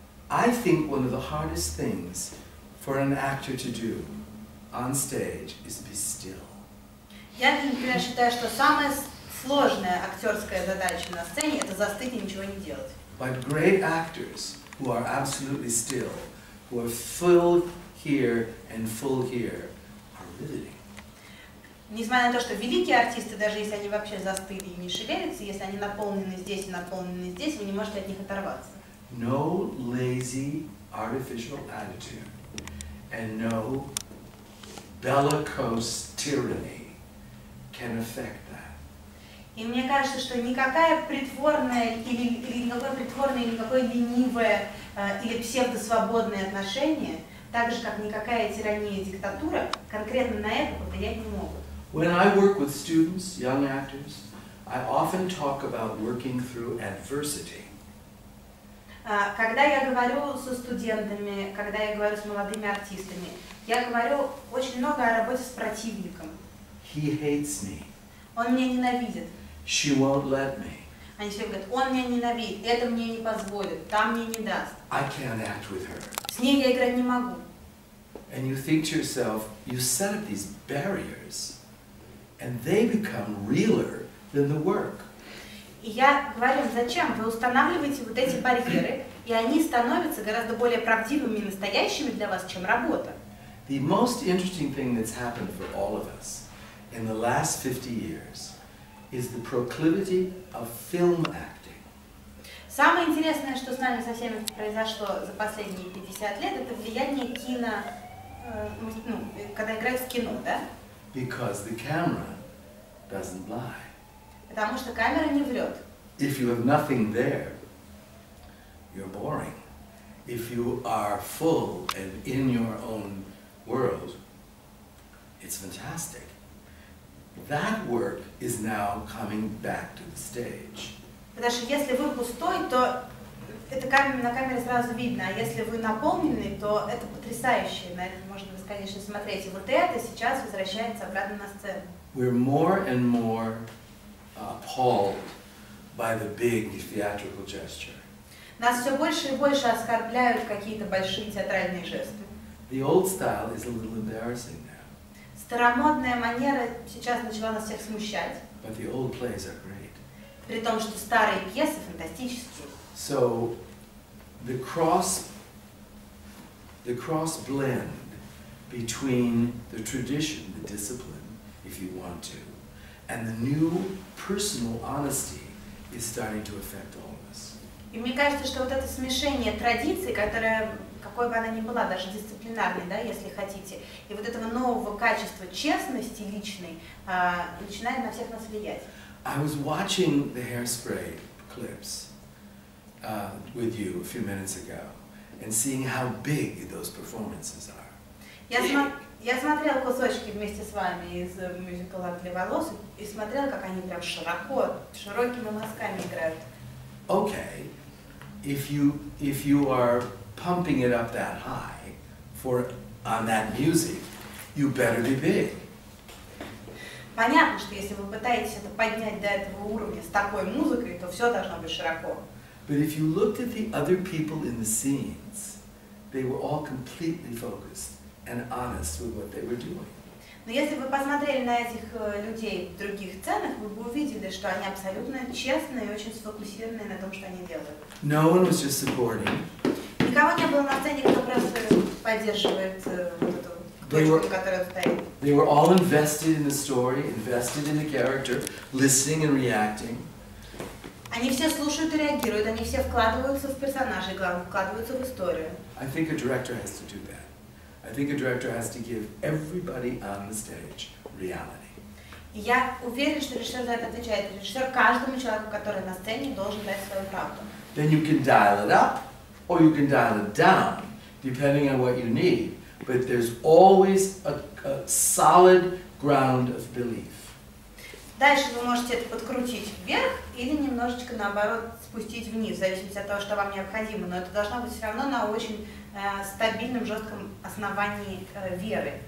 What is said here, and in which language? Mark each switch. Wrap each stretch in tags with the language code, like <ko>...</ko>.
<en>I think one of the hardest things for an actor to do on stage is be still.</en> <ru>Я, например, считаю, что самая сложная актерская задача на сцене — это застыть и ничего не делать.</ru> <en>But great actors who are absolutely still, who are full here and full here, are riveting.</en> <ru>Несмотря на то, что великие артисты, даже если они вообще застыли и не шевелятся, если они наполнены здесь и наполнены здесь, вы не можете от них оторваться.</ru> <en>No lazy, artificial attitude, and no bellicose tyranny can affect that.</en> <ru>И мне кажется, что никакая притворная или никакое притворное или никакое ленивое или псевдосвободное отношение, так же как никакая тирания, диктатура, конкретно на это повлиять не могут.</ru> <en>When I work with students, young actors, I often talk about working through adversity.</en> <ru>Когда я говорю со студентами, когда я говорю с молодыми артистами, я говорю очень много о работе с противником.</ru> <en>He hates me.</en> <ru>Он меня ненавидит.</ru> <en>She won't let me.</en> <ru>Они все говорят, он меня ненавидит, это мне не позволит, там мне не даст.</ru> <en>I can't act with her.</en> <ru>С ней я играть не могу.</ru> <en>And you think to yourself, you set up these barriers, and they become realer than the work.</en> <ru>И я говорю, зачем? Вы устанавливаете вот эти барьеры, и они становятся гораздо более правдивыми и настоящими для вас, чем работа.</ru> <en>The most interesting thing that's happened for all of us in the last 50 years is the proclivity of film acting.</en> <ru>Самое интересное, что с нами со всеми произошло за последние 50 лет, это влияние кино, ну, когда играют в кино, да?</ru> <en>Because the camera doesn't lie. Потому что камера не врет. If you have nothing there, you're boring. If you are full and in your own world, it's fantastic. That work is now coming back to the stage.</en> <ru>Потому что если вы пустой, то это на камере сразу видно. А если вы наполненный, то это потрясающе. На это можно бесконечно смотреть. И вот это сейчас возвращается обратно на сцену.</ru> <en>We're more and more appalled by the big theatrical gesture.</en> <ru>Нас все больше и больше оскорбляют какие-то большие театральные жесты.</ru> <en>The old style is a little embarrassing now.</en> <ru>Старомодная манера сейчас начала нас всех смущать.</ru> <en>But the old plays are great.</en> <ru>При том, что старые пьесы фантастические.</ru> <en>So the cross blend between the tradition, the discipline, if you want to, and the new personal honesty is starting to affect all of us.</en> <ru>И мне кажется, что вот это смешение традиции, которая, какой бы она ни была, даже дисциплинарной, да, если хотите, и вот этого нового качества честности личной, начинает на всех нас влиять.</ru> <en>I was watching the Hairspray clips with you a few minutes ago and seeing how big those performances are.</en> <ru>Я смотрел кусочки вместе с вами из мюзикла «Для волос» и смотрел, как они прям широко, широкими мазками играют.</ru> <en>Okay, if you are pumping it up that high for on that music, you better be big.</en> <ru>Понятно, что если вы пытаетесь это поднять до этого уровня с такой музыкой, то все должно быть широко.</ru> <en>But if you looked at the other people in the scenes, they were all completely focused and honest with what they were doing.</en> <ru>Но если вы посмотрели на этих людей в других сценах, вы бы увидели, что они абсолютно честны и очень сфокусированы на том, что они делают.</ru> <en>No one was just supporting.</en> <ru>Никого не было на сцене, кто просто поддерживает точку, которая стоит.</ru> <en>They were all invested in the story, invested in the character, listening and reacting.</en> <ru>Они все слушают и реагируют, они все вкладываются в персонажей, вкладываются в историю.</ru> <en>I think a director has to do that. I think a director has to give everybody on the stage reality.</en> <ru>Я уверен, что режиссер за это отвечает. Режиссер каждому человеку, который на сцене, должен дать свою правду.</ru> <en>Then you can dial it up, or you can dial it down, depending on what you need. But there's always a solid ground of belief.</en> <ru>Дальше вы можете это подкрутить вверх или немножечко наоборот спустить вниз, в зависимости от того, что вам необходимо. Но это должно быть все равно на очень стабильном, жестком основании веры.</ru>